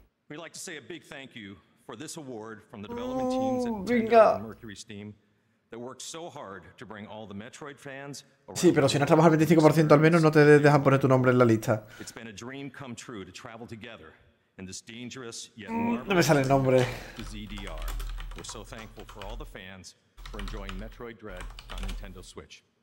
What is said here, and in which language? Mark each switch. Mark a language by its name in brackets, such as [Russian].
[English] We'd like to say a big thank you for this award from the development teams at Mercury Steam that worked so hard to bring all the Metroid fans. [Spanish] Sí, pero si no trabajas 25% al menos no te dejan poner tu nombre en la lista. [English] It's been a dream come true to travel together in this dangerous yet [Spanish] no me sale el nombre. ZDR. [English] We're so thankful for all the fans for enjoying Metroid Dread on Nintendo Switch.